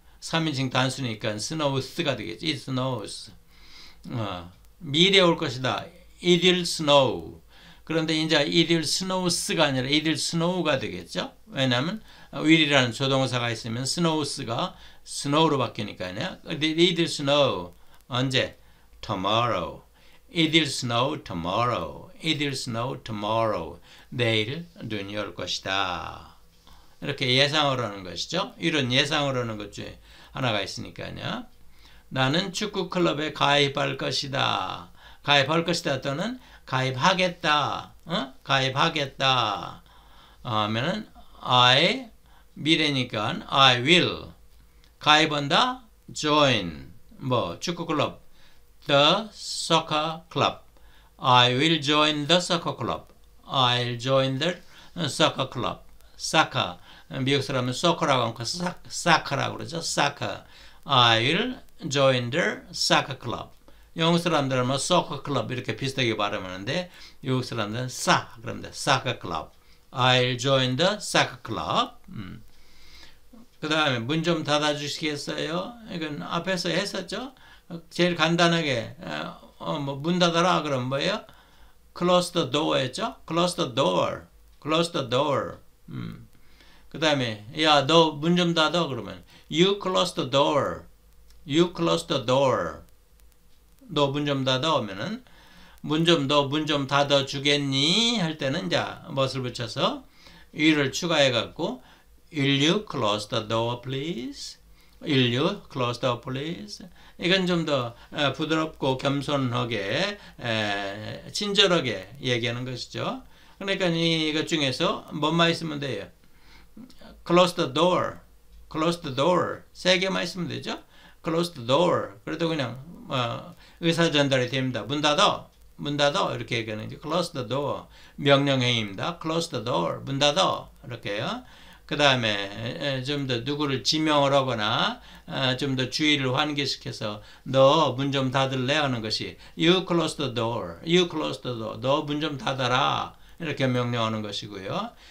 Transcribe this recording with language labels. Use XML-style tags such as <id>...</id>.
<ko>3인칭 단수니까 snows가 되겠죠.</ko> <en>It snows.</en> <ko>미래에 올 것이다.</ko> <en>It will snow.</en> <ko>그런데 이제</ko> <en>it will snows</en> <ko>가 아니라</ko> <en>it will snow</en> <ko>가 되겠죠. 왜냐하면 will이라는 조동사가 있으면 snows가 snow로 바뀌니까요.</ko> <en>It will snow</en> <ko>언제?</ko> <en>Tomorrow. It will snow tomorrow. It will snow tomorrow.</en> <ko>내일 눈이 올 것이다. 이렇게 예상으로는 것이죠. 이런 예상으로는 것 중에 하나가 있으니까요. 나는 축구 클럽에 가입할 것이다. 가입할 것이다 또는 가입하겠다. 가입하겠다 하면은 I 미래니까 I will 가입한다.</ko> <en>Join</en> <ko>뭐 축구 클럽</ko> <en>The Soccer Club. I will join the soccer club. I'll join the soccer club.</en> <ko>Soccer 미국 사람은 soccer라고 하면 soccer라고 그러죠.</ko> <en>Soccer. I'll join the soccer club.</en> <ko>영국 사람들은 뭐 소커 클럽 이렇게 비슷하게 발음하는데 미국 사람들은 싸 그럽니다. 사커 클럽.</ko> <en>I'll join the</en> <ko>사커 클럽. 그다음에 문좀 닫아주시겠어요? 이건 앞에서 했었죠. 제일 간단하게 뭐문 닫아라 그럼 뭐예요?</ko> <en>Close the door</en> <ko>했죠?</ko> <en>Close the door. Close the door.</en> <ko>그다음에 야너문좀 닫아 그러면</ko> <en>You close the door. You close the door.</en> <ko>너문좀 닫아 오면은 문좀너문좀 닫아 주겠니 할 때는 이제 멋을 붙여서 will을 추가해 갖고</ko> <en>will you close the door please 일류 close the please.</en> <ko>이건 좀더 부드럽고 겸손하게 친절하게 얘기하는 것이죠. 그러니까 이것 중에서 뭐만 있으면 돼요?</ko> <en>close the door, close the door</en> <ko>세 개만 있으면 되죠.</ko> <en>close the door</en> <ko>그래도 그냥 의사전달이 됩니다. 문 닫아, 문 닫아 이렇게 얘기하는 거죠.</ko> <en>close the door</en> <ko>명령형입니다. close the door 문 닫아 이렇게요. 그 다음에 좀더 누구를 지명을 하거나 좀더 주의를 환기시켜서 너문좀 닫을래 하는 것이</ko> <en>you close the door,</en> <ko>you close the door 너문좀 닫아라 이렇게 명령하는 것이고요.</ko>